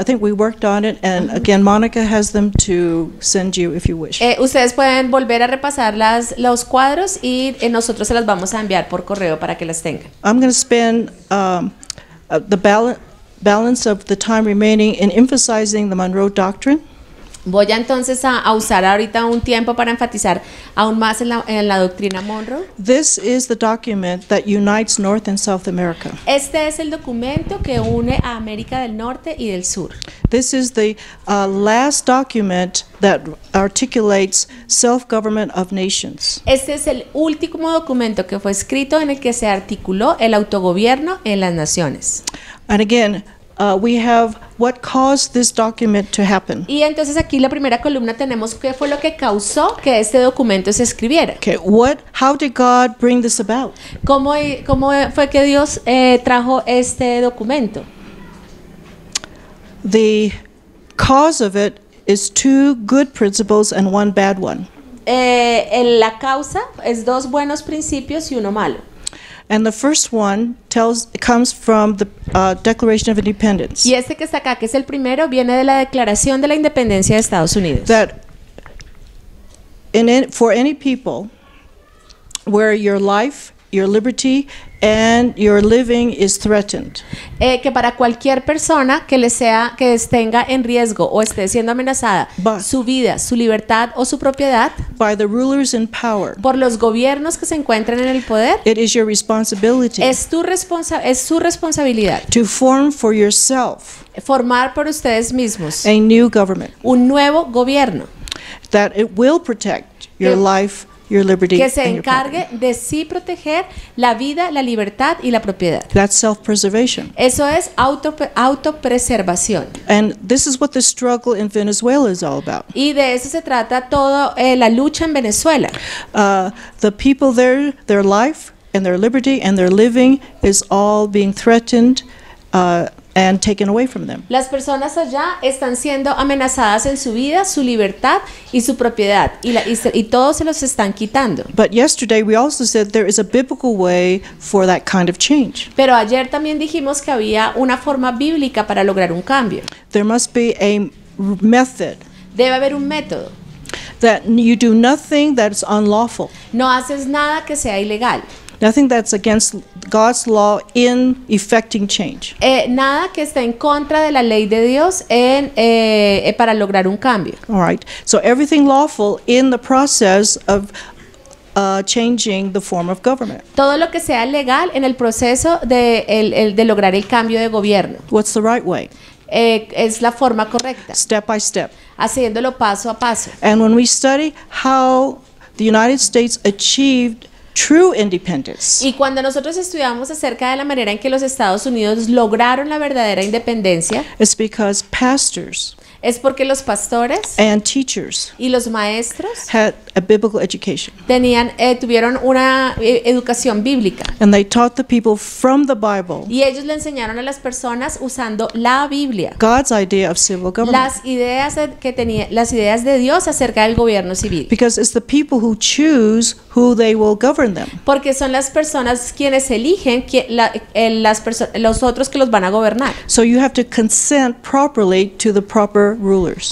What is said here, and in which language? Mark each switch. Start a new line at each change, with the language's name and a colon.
English: I think we worked on it, and again, Monica has them to send you if you wish.
Spanish: Ustedes pueden volver a repasar los cuadros y nosotros se las vamos a enviar por correo para que las tengan.
English: I'm going to spend the balance of the time remaining in emphasizing the Monroe Doctrine.
Spanish: Voy entonces a usar ahorita un tiempo para enfatizar aún más en la doctrina Monroe.
English: This is the document that unites North and South America.
Spanish: Este es el documento que une a América del Norte y del Sur.
English: This is the last document that articulates self-government of nations.
Spanish: Este es el último documento que fue escrito en el que se articuló el autogobierno en las naciones.
English: And again, we have what caused this document to happen.
Spanish: Y entonces aquí la primera columna tenemos qué fue lo que causó que este documento se escribiera.
English: Okay, how did God bring this about?
Spanish: ¿Cómo fue que Dios trajo este documento?
English: The cause of it is two good principles and one bad one.
Spanish: La causa es dos buenos principios y uno malo.
English: And the first one comes from the Declaration of Independence.
Spanish: Y este que está acá, que es el primero, viene de la Declaración de la Independencia de Estados Unidos.
English: That for any people where your life, your liberty, and your living is threatened.
Spanish: Que para cualquier persona que le sea, que tenga en riesgo o esté siendo amenazada, su vida, su libertad o su propiedad,
English: by the rulers in power,
Spanish: por los gobiernos que se encuentran en el poder,
English: it is your responsibility,
Spanish: es su responsabilidad,
English: to form for yourself,
Spanish: formar por ustedes mismos,
English: a new government,
Spanish: un nuevo gobierno,
English: that it will protect your life, your liberty,
Spanish: que se encargue de sí proteger la vida, la libertad y la propiedad.
English: That's self-preservation.
Spanish: Eso es autopreservación.
English: And this is what the struggle in Venezuela is all about.
Spanish: Y de eso se trata toda la lucha en Venezuela.
English: The people there, their life and their liberty and their living is all being threatened and taken away from them.
Spanish: Las personas allá están siendo amenazadas en su vida, su libertad y su propiedad, y todos se los están quitando.
English: But yesterday we also said there is a biblical way for that kind of change.
Spanish: Pero ayer también dijimos que había una forma bíblica para lograr un cambio.
English: There must be a method.
Spanish: Debe haber un método.
English: That you do nothing that's unlawful.
Spanish: No haces nada que sea ilegal.
English: Nothing that's against God's law in effecting change.
Spanish: Nada que esté en contra de la ley de Dios en para lograr un cambio.
English: All right. So everything lawful in the process of changing the form of government.
Spanish: Todo lo que sea legal en el proceso de lograr el cambio de gobierno.
English: What's the right way?
Spanish: Es la forma correcta.
English: Step by step.
Spanish: Haciéndolo paso a paso.
English: And when we study how the United States achieved true independence.
Spanish: Y cuando nosotros estudiamos acerca de la manera en que los Estados Unidos lograron la verdadera independencia,
English: it's because pastors,
Spanish: es porque los pastores
English: and teachers
Spanish: y los maestros
English: had a biblical education.
Spanish: Tenían tuvieron una educación bíblica.
English: And they taught the people from the Bible.
Spanish: Y ellos le enseñaron a las personas usando la Biblia.
English: God's idea of civil government.
Spanish: Las ideas de Dios acerca del gobierno civil.
English: Because it's the people who choose who they will govern them.
Spanish: Porque son las personas quienes eligen los otros que los van a gobernar.
English: So you have to consent properly to the proper rulers.